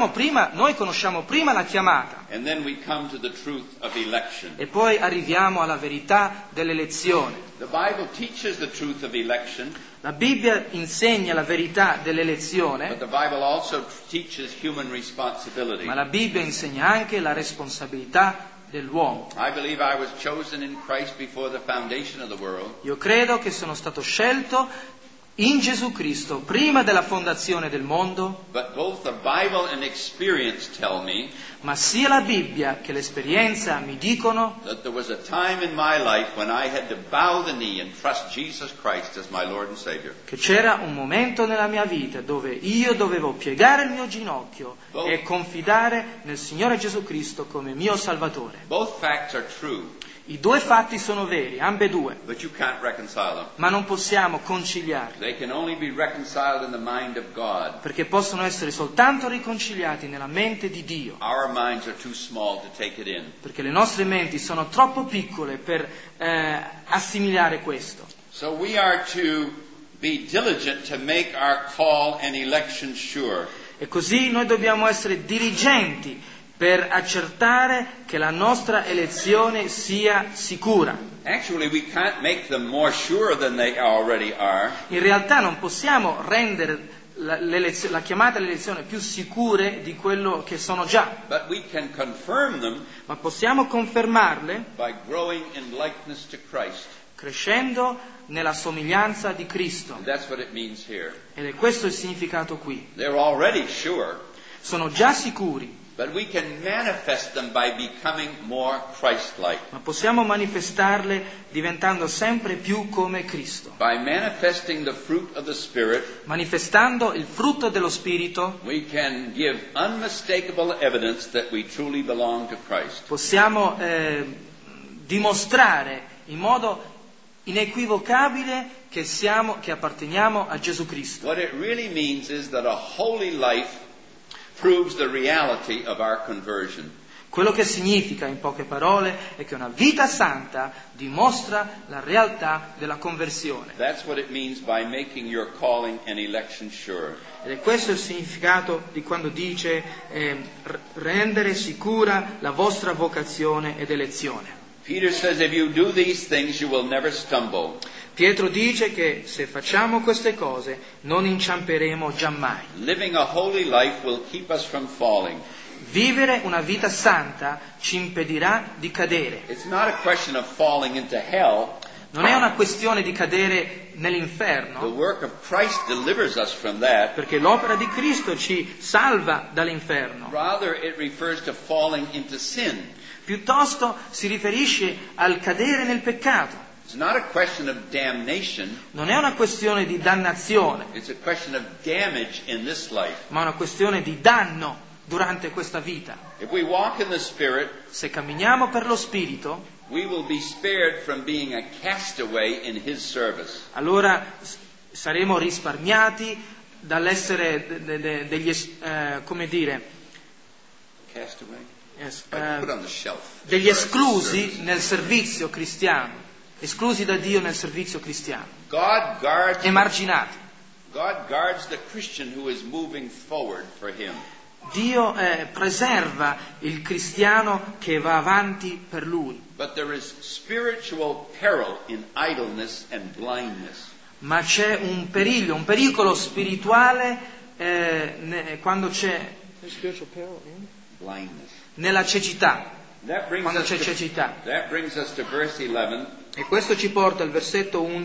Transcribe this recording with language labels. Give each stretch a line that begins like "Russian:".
Italian: Noi conosciamo prima la chiamata.
English: And then we come to the truth of election.
Italian: E poi arriviamo alla verità dell'elezione.
English: The Bible teaches the truth of election.
Italian: La Bibbia insegna la verità dell'elezione.
English: But the Bible also teaches human responsibility.
Italian: Ma la Bibbia insegna anche la responsabilità dell'uomo.
English: I believe I was chosen in Christ before the foundation of the world.
Italian: Io credo che sono stato scelto in Gesù Cristo prima della fondazione del mondo.
English: But both the Bible and experience tell me,
Italian: ma sia la Bibbia che l'esperienza mi dicono,
English: that there was a time in my life when I had to bow the knee and trust Jesus Christ as my Lord and Savior.
Italian: Che c'era un momento nella mia vita dove io dovevo piegare il mio ginocchio e confidare nel Signore Gesù Cristo come mio Salvatore.
English: Both facts are true.
Italian: I due fatti sono veri, ambedue.
English: But you can't reconcile them.
Italian: Ma non possiamo conciliarli.
English: They can only be reconciled in the mind of God.
Italian: Perché possono essere soltanto riconciliati nella mente di Dio.
English: Our minds are too small to take it in.
Italian: Perché le nostre menti sono troppo piccole per assimilare questo.
English: So we are to be diligent to make our call and election sure.
Italian: E così noi dobbiamo essere diligenti per accertare che la nostra elezione sia sicura.
English: Actually, we can't make them more sure than they already are.
Italian: In realtà non possiamo rendere la chiamata all'elezione più sicure di quello che sono già.
English: But we can confirm them.
Italian: Ma possiamo confermarle
English: by growing in likeness to Christ.
Italian: Crescendo nella somiglianza di Cristo.
English: And that's what it means here.
Italian: Ed è questo il significato qui.
English: They're already sure.
Italian: Sono già sicuri.
English: But we can manifest them by becoming more Christ-like.
Italian: Ma possiamo manifestarle diventando sempre più come Cristo.
English: By manifesting the fruit of the Spirit,
Italian: manifestando il frutto dello Spirito,
English: we can give unmistakable evidence that we truly belong to Christ.
Italian: Possiamo dimostrare in modo inequivocabile che apparteniamo a Gesù Cristo.
English: What it really means is that a holy life proves the reality of our conversion.
Italian: Quello che significa in poche parole è che una vita santa dimostra la realtà della conversione.
English: That's what it means by making your calling and election sure.
Italian: Ed è questo il significato di quando dice rendere sicura la vostra vocazione ed elezione.
English: Peter says if you do these things you will never stumble.
Italian: Pietro dice che se facciamo queste cose non inciamperemo giammai.
English: Living a holy life will keep us from falling.
Italian: Vivere una vita santa ci impedirà di cadere.
English: It's not a question of falling into hell.
Italian: Non è una questione di cadere nell'inferno.
English: The work of Christ delivers us from that.
Italian: Perché l'opera di Cristo ci salva dall'inferno.
English: Rather it refers to falling into sin.
Italian: Piuttosto si riferisce al cadere nel peccato.
English: It's not a question of damnation.
Italian: Non è una questione di dannazione.
English: It's a question of damage in this life.
Italian: Ma una questione di danno durante questa vita.
English: If we walk in the Spirit,
Italian: se camminiamo per lo Spirito,
English: we will be spared from being a castaway in His service.
Italian: Allora saremo risparmiati dall'essere degli come dire?
English: Castaway? Yes. Put on the shelf.
Italian: Degli esclusi nel servizio cristiano. Esclusi da Dio nel servizio cristiano.
English: God guards,
Italian: emarginati.
English: God guards the Christian who is moving forward for Him.
Italian: Dio preserva il cristiano che va avanti per lui.
English: But there is spiritual peril in idleness and blindness.
Italian: Ma c'è un periglio, un pericolo spirituale quando c'è
English: spiritual peril in blindness.
Italian: Nella cecità. Quando c'è cecità.
English: That brings us to verse 11.
Italian: E questo ci porta al versetto